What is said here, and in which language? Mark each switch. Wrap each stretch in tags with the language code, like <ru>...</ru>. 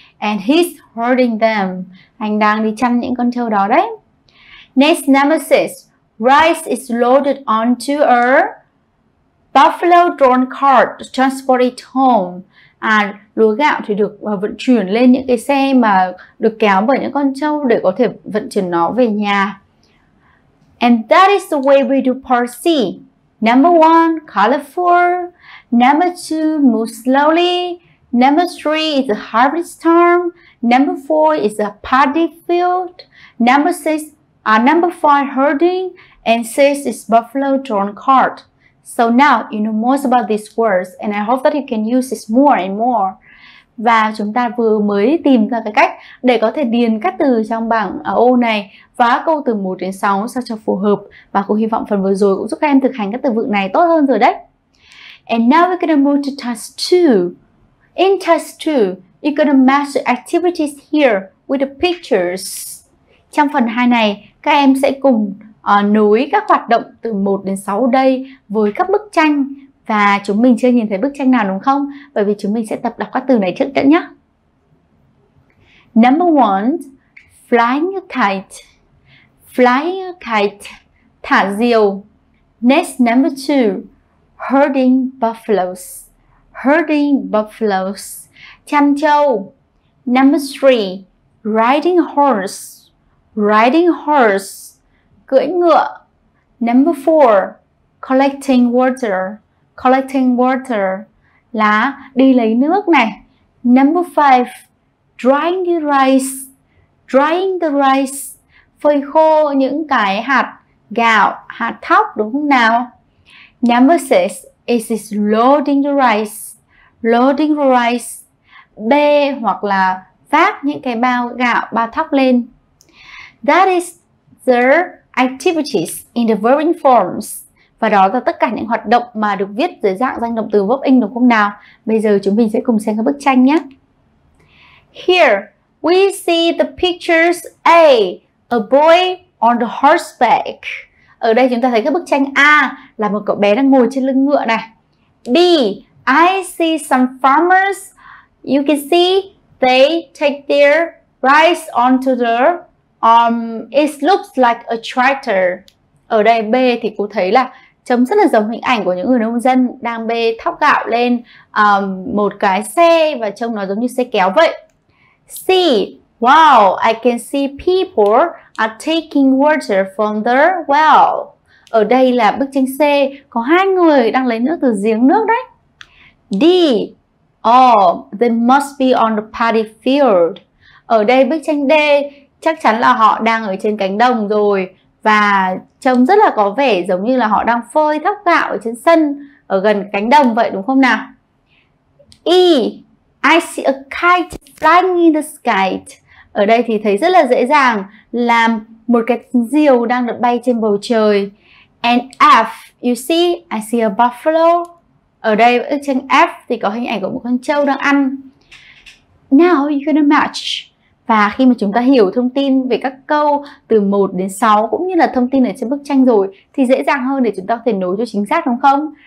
<en>And he's herding them.</en> <vi>Anh đang đi chăn những con trâu đó đấy.</vi> <en>Next, number six. Rice is loaded onto a buffalo drawn cart to transport it home.</en> <vi>Lúa gạo thì được vận chuyển lên những cái xe mà được kéo bởi những con trâu để có thể vận chuyển nó về nhà.</vi> <en>And that is the way we do part C. Number one, colorful. Number two, move slowly. Number three is a harvest time. Number four is a paddy field. Number six, number five, herding. And six is buffalo drawn cart. So now you know most about these words, and I hope that you can use this more and more.</en> <vi>Và chúng ta vừa mới tìm ra cái cách để có thể điền các từ trong bảng ở ô này và câu từ 1 đến 6 sao cho phù hợp. Và cô hy vọng phần vừa rồi cũng giúp các em thực hành các từ vựng này tốt hơn rồi đấy.</vi> <en>And now we're going to move to task 2. In task 2, you're going to match the activities here with the pictures.</en> <vi>Trong phần 2 này, các em sẽ cùng nối các hoạt động từ 1 đến 6 đây với các bức tranh. Và chúng mình chưa nhìn thấy bức tranh nào đúng không? Bởi vì chúng mình sẽ tập đọc các từ này trước đã nhé.</vi> <en>Number one, flying a kite. Flying a kite,</en> <vi>thả diều.</vi> <en>Next, number two, herding buffaloes. Herding buffaloes,</en> <vi>chăn trâu.</vi> <en>Number three, riding horse. Riding horse,</en> <vi>cưỡi ngựa.</vi> <en>Number four, collecting water. Collecting water</en> <vi>là đi lấy nước này.</vi> <en>Number five, drying the rice.</en> <vi>Drying the rice, phơi khô những cái hạt gạo, hạt thóc đúng không nào?</vi> <en>Number six, it is loading the rice.</en> <vi>Loading the rice, bê hoặc là vác những cái bao gạo, bao thóc lên.</vi> <en>That is the activities in the verbing forms.</en> <vi>Và đó là tất cả những hoạt động mà được viết dưới dạng danh động từ verb ing đúng không nào? Bây giờ chúng mình sẽ cùng xem các bức tranh nhé.</vi> <en>Here, we see the pictures A, a boy on the horseback.</en> <vi>Ở đây chúng ta thấy các bức tranh A là một cậu bé đang ngồi trên lưng ngựa này.</vi> <en>B, I see some farmers. You can see they take their rice onto the it looks like a tractor.</en> <vi>Ở đây B thì cô thấy là chấm rất là giống hình ảnh của những người nông dân đang bê thóc gạo lên một cái xe và trông nó giống như xe kéo vậy. C, wow, I can see people are taking water from the well. Ở đây là bức tranh C có hai người đang lấy nước từ giếng nước đấy. D.</vi> <en>They must be on the paddy field.</en> <vi>Ở đây bức tranh D chắc chắn là họ đang ở trên cánh đồng rồi. Và trông rất là có vẻ giống như là họ đang phơi thóc gạo ở trên sân, ở gần cánh đồng vậy đúng không nào?</vi> <en>E. I see a kite flying in the sky.</en> <vi>Ở đây thì thấy rất là dễ dàng là một cái diều đang được bay trên bầu trời.</vi> <en>And F, you see, I see a buffalo.</en> <vi>Ở đây bức tranh F thì có hình ảnh của một con trâu đang ăn.</vi> <en>Now you're gonna match.</en> <vi>Và khi mà chúng ta hiểu thông tin về các câu từ 1 đến 6 cũng như là thông tin ở trên bức tranh rồi thì dễ dàng hơn để chúng ta có thể nối cho chính xác đúng không?</vi>